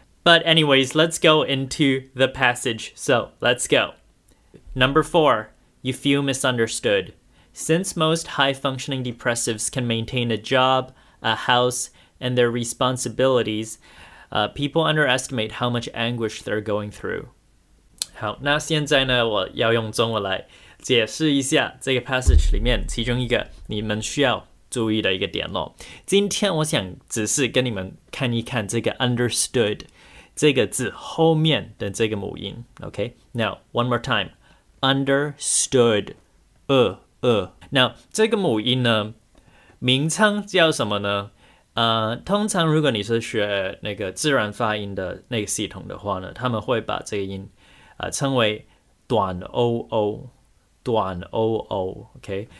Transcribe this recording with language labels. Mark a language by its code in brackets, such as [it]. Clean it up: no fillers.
[en] But anyways, let's go into the passage. So, let's go. Number 4, you feel misunderstood. Since most high-functioning depressives can maintain a job, a house, and their responsibilities, people underestimate how much anguish they're going through. [zh] 好，那现在呢，我要用中文来解释一下这个 passage 里面其中一个你们需要注意的一个点咯。今天我想只是跟你们看一看这个 understood 这个字后面的这个母音。 [en] Okay, now one more time, understood, [zh] Now 这个母音呢，名称叫什么呢？通常如果你是学那个自然发音的那个系统的话呢，他们会把这个音，称为短 oo， 短 oo， OK。